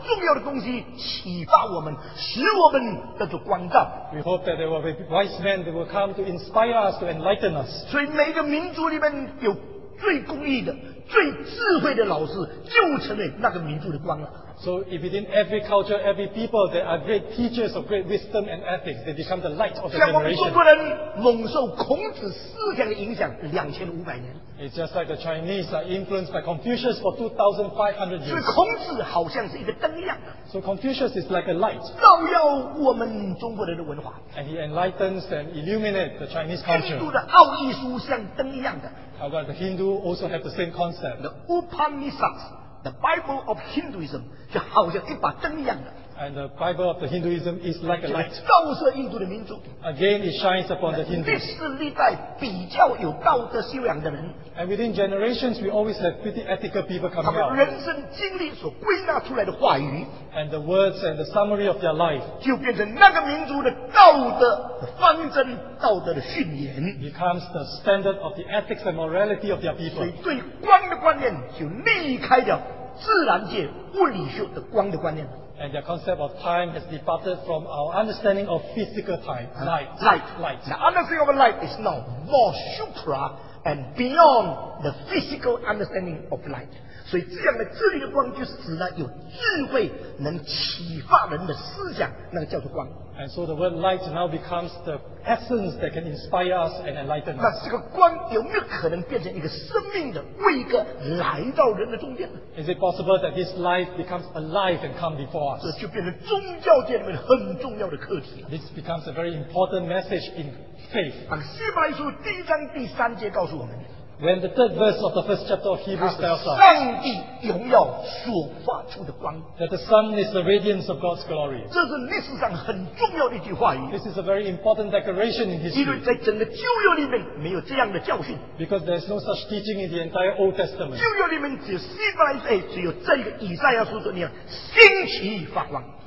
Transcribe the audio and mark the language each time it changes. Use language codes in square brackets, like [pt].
[zh] 人类就盼望有些智慧的人可以把重要的东西启发我们, 使我们得到光照。 [en] We hope that there will be wise men that will come to inspire us, to enlighten us. [zh] 所以每个民族里面有 最公义的、最智慧的老师，就成为那个民族的光了。So [en] within every culture, every people, there are great teachers of great wisdom and ethics. They become the light of the generation. [zh] 像我们中国人蒙受孔子思想的影响2500年。 [en] It's just like the Chinese are influenced by Confucius for 2,500 years. [zh] 所以孔子好像是一个灯亮。 [en] So Confucius is like a light. [zh] 照耀我们中国人的文化。 [en] And he enlightens and illuminates the Chinese culture. [zh] 印度的奥义书像灯一样的。 [en] However, the Hindu also have the same concept. The Upanishads, the Bible of Hinduism, [zh] 就好像一把灯一样的。 [en] And the Bible of the Hinduism is like a light. [zh] 照射印度的民族。 [en] Again, it shines upon the Hindus. [zh] 历史历代比较有道德修养的人。 [en] And within generations, we always have pretty ethical people coming out. [zh] 他们人生经历所归纳出来的话语。 [en] And the words and the summary of their life. [zh] 就变成那个民族的道德方针、道德的训练。 [en] Becomes the standard of the ethics and morality of their people. [zh] 所以对光的观念就离开了自然界物理学的光的观念。 [en] And their concept of time has departed from our understanding of physical time, light. Light. The understanding of light is now more supra and beyond the physical understanding of light. [zh] 所以这样的智力的光就是指呢有智慧能启发人的思想，那个叫做光。 [en] And so the word light now becomes the essence that can inspire us and enlighten us. [zh] 那这个光有没有可能变成一个生命的位格来到人的中间？ [en] Is it possible that this light becomes alive and come before us? [zh] 这就变成宗教界里面很重要的课题。 [en] This becomes a very important message in faith. [zh] 当希伯来书第一章第三节告诉我们。 [en] When the third verse of the first chapter of Hebrews tells us [zh] 上帝荣耀所发出的光 [en] that the sun is the radiance of God's glory. [zh] 这是历史上很重要的一句话语。 [en] This is a very important declaration in history. [zh] 因为在整个旧约里面没有这样的教训。 [en] Because there's no such teaching in the entire Old Testament. [zh] 旧约里面只有希伯来书，只有这个以赛亚书说你要兴起发光。